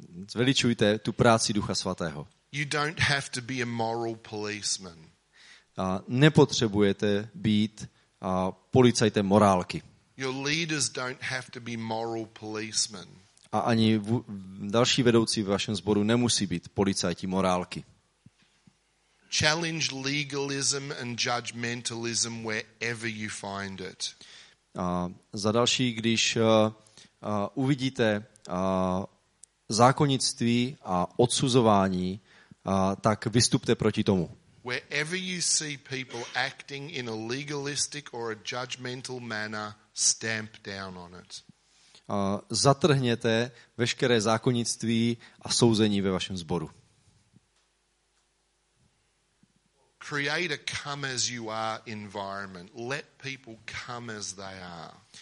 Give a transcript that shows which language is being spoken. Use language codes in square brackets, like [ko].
[cs] Zveličujte tu práci Ducha Svatého. [en] You don't have to be a moral policeman. [cs] Nepotřebujete být policajtem morálky. [en] Your leaders don't have to be moral policemen. [cs] A ani další vedoucí v vašem sboru nemusí být policajti morálky. [en] Challenge legalism and judgmentalism wherever you find it. [cs] Za další, když uvidíte zákonnictví a odsuzování, tak vystupte proti tomu. [en] Wherever you see people acting in a legalistic or a judgmental manner, stamp down on it. [cs] Zatrhněte veškeré zákonnictví a souzení ve vašem sboru. [en] Create a come as you are environment. Let people come as they are.